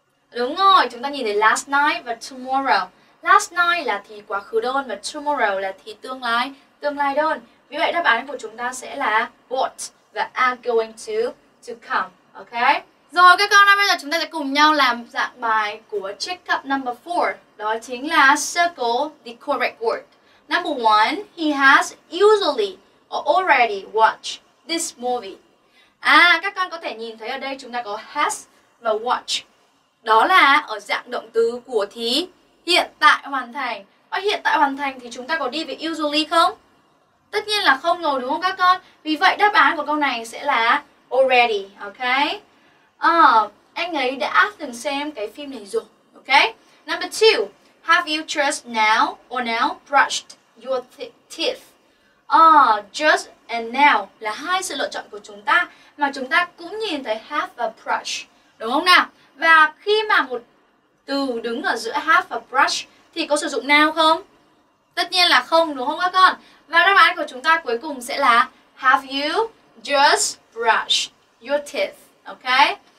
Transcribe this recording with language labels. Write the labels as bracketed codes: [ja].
[vi] Đúng rồi, chúng ta nhìn thấy last night và tomorrow. Last night là thì quá khứ đơn và tomorrow là thì tương lai đơn. Vì vậy đáp án của chúng ta sẽ là what và [en] are going to come, [vi] ok? Rồi các con ơi, bây giờ chúng ta sẽ cùng nhau làm dạng bài của checkup number 4. Đó chính là [en] circle the correct word. Number 1, he has usually or already watched this movie. [vi] À, các con có thể nhìn thấy ở đây chúng ta có has và watch. Đó là ở dạng động từ của thì hiện tại hoàn thành. Và hiện tại hoàn thành thì chúng ta có đi với usually không? Tất nhiên là không rồi, đúng không các con? Vì vậy đáp án của câu này sẽ là already, ok? Anh ấy đã từng xem cái phim này rồi. Ok. [en] Number 2. Have you just now or now brushed your teeth? [vi] Just and now là hai sự lựa chọn của chúng ta mà chúng ta cũng nhìn thấy have và brush, đúng không nào? Và khi mà một từ đứng ở giữa have và brush thì có sử dụng now không? Tất nhiên là không, đúng không các con? Và đáp án của chúng ta cuối cùng sẽ là [en] have you just brushed your teeth, okay?